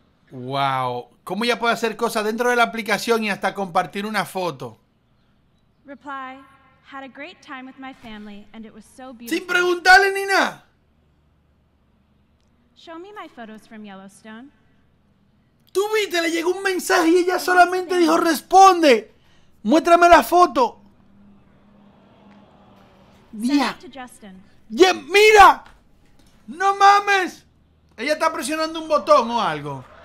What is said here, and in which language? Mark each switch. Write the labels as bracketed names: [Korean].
[Spanish] Wow, ¿cómo ella puede hacer cosas dentro de la aplicación y hasta compartir una foto? [English] Reply, had a great time with my family and it was so beautiful. [Spanish] Sin preguntarle ni nada. [English] Show me my photos from Yellowstone. [Spanish] Tú viste, le llegó un mensaje y ella solamente dijo, responde. Muéstrame la foto. Mira. Yeah, mira. No mames. Ella está presionando un botón o algo.